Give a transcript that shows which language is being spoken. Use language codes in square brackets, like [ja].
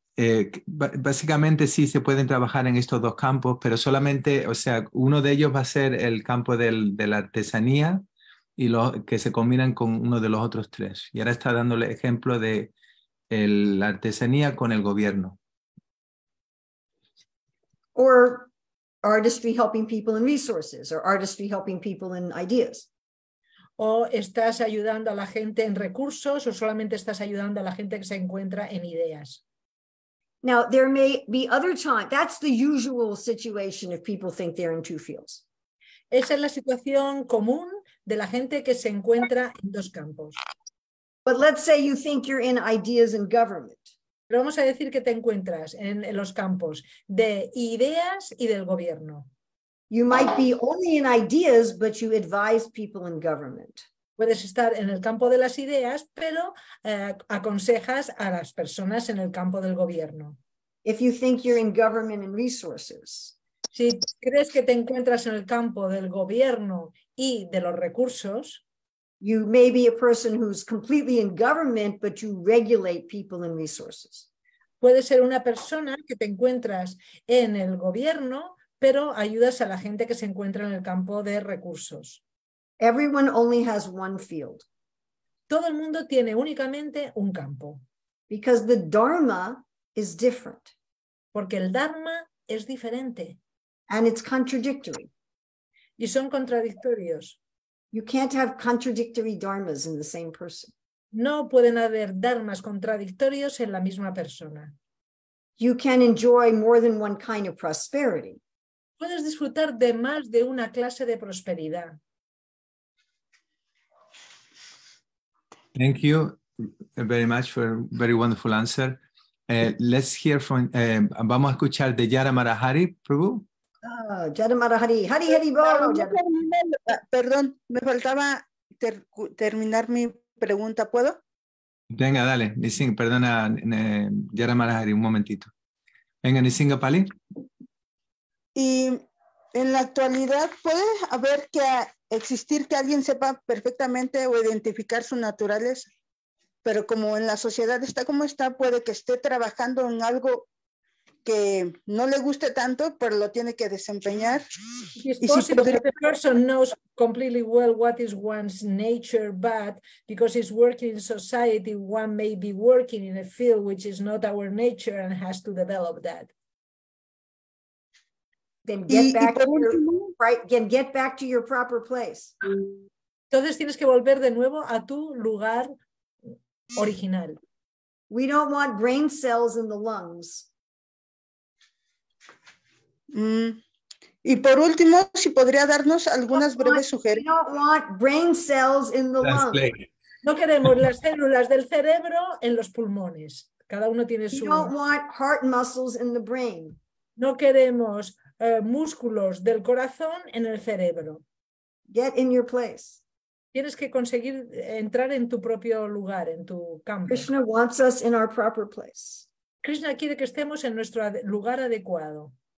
[es] Básicamente sí se pueden trabajar en estos dos campos, pero solamente, o sea, uno de ellos va a ser el campo de la artesanía y lo, que se combinan con uno de los otros tres. Y ahora está dándole ejemplo de el, la artesanía con el gobierno. [en] Or artistry helping people in resources, or artistry helping people in ideas. [es] O estás ayudando a la gente en recursos, o solamente estás ayudando a la gente que se encuentra en ideas. [en] Now, there may be other times, that's the usual situation if people think they're in two fields. [es] Esa es la situación común de la gente que se encuentra en dos campos. [en] But let's say you think you're in ideas and government. [es] Pero vamos a decir que te encuentras en los campos de ideas y del gobierno. [en] You might be only in ideas, but you advise people in government. [es] Puedes estar en el campo de las ideas, pero aconsejas a las personas en el campo del gobierno. [en] If you think you're in government and resources. [es] Si crees que te encuentras en el campo del gobierno y de los recursos, [en] you may be a person who's completely in government, but you regulate people and resources. [es] Puedes ser una persona que te encuentras en el gobierno, pero ayudas a la gente que se encuentra en el campo de recursos. [en] Everyone only has one field. [es] Todo el mundo tiene únicamente un campo. [en] Because the Dharma is different. [es] Porque el Dharma es diferente. [en] And it's contradictory. [es] Y son contradictorios. [en] You can't have contradictory Dharmas in the same person. [es] No pueden haber Dharmas contradictorios en la misma persona. [en] You can enjoy more than one kind of prosperity. [es] Puedes disfrutar de más de una clase de prosperidad. [en] Thank you very much for a very wonderful answer. Let's hear from, [es] vamos a escuchar de Yara Marahari, Prabhu. Yara Marahari, Hari Hari Bol. Perdón, me faltaba terminar mi pregunta, ¿puedo? Venga, dale, Nisinga, perdona, Yara Marahari, un momentito. Venga, Nisinga Pali. Y en la actualidad, ¿puede haber que existir que alguien sepa perfectamente o identificar su naturaleza? Pero como en la sociedad está como está, puede que esté trabajando en algo que no le guste tanto, pero lo tiene que desempeñar. [en] It's possible that the person knows completely well what is one's nature, but because he's working in society, one may be working in a field which is not our nature and has to develop that. Then get back to your proper place. [es] Entonces tienes que volver de nuevo a tu lugar original. [en] We don't want brain cells in the lungs. [es] Y por último, si podría darnos algunas breves sugerencias. [en] We don't want brain cells in the lungs. [es] No queremos las células del cerebro en los pulmones. Cada uno tiene su. [en] We don't want heart muscles in the brain. [es] No queremos músculos del corazón en el cerebro. [en] Get in your place. [es] Tienes que conseguir entrar en tu propio lugar, en tu campo. [en] Krishna wants us in our proper place. [es] Krishna quiere que estemos en nuestro lugar adecuado.